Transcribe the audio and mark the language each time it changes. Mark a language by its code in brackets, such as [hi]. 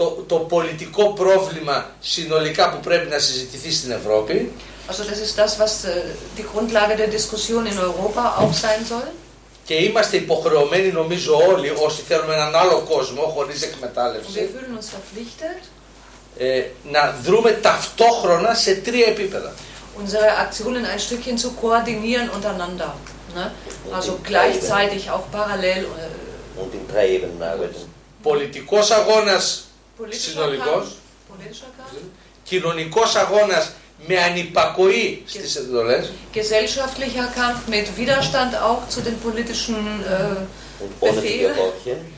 [el] Το πολιτικό πρόβλημα συνολικά που πρέπει να συζητηθεί στην Ευρώπη. [de] Also das ist das, was die Grundlage der Diskussion in Europa auch sein soll. [el] Και είμαστε υποχρεωμένοι, νομίζω όλοι, όσοι θέλουμε έναν άλλο κόσμο χωρίς εκμετάλλευση. [de] Wir fühlen uns verpflichtet. [el] Να δρούμε ταυτόχρονα σε τρία επίπεδα. [de] Unsere Aktionen ein Stückchen zu koordinieren untereinander, ne? Also gleichzeitig auch parallel. Und in drei Ebenen arbeiten. [el] πολιτικός αγώνας συνολικός, κοινωνικός αγώνας με ανυπακοή στις εντολές. [de] Gesellschaftlicher Kampf mit Widerstand auch zu den politischen Befehlen.